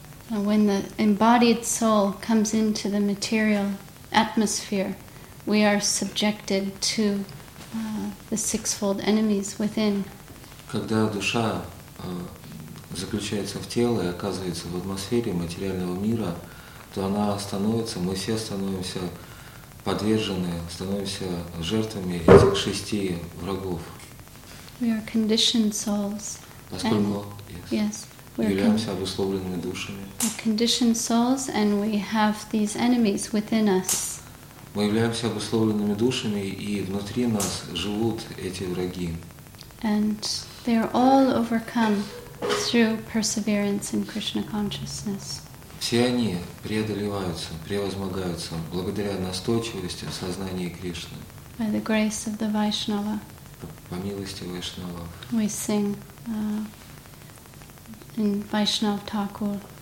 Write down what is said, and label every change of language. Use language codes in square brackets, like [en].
[en] When the embodied soul comes into the material atmosphere, we are subjected to the sixfold enemies within. [ru] Когда душа заключается в тело и оказывается в атмосфере материального мира, то она становится, мы все становимся подвержены, становимся жертвами этих шести врагов. [en] We are conditioned souls. [ru] Поскольку, [en] we are [ru] являемся обусловленными душами. [en] We are conditioned souls and we have these enemies within us. [ru] Мы являемся обусловленными душами, и внутри нас живут эти враги. [en] And they are all overcome through perseverance in Krishna consciousness. [ru] Все они преодолеваются, превозмогаются благодаря настойчивости в сознании Кришны. [en] By the grace of the Vaishnava. [ru] По милости Вайшнава. [en] We sing in Vaishnav Thakur.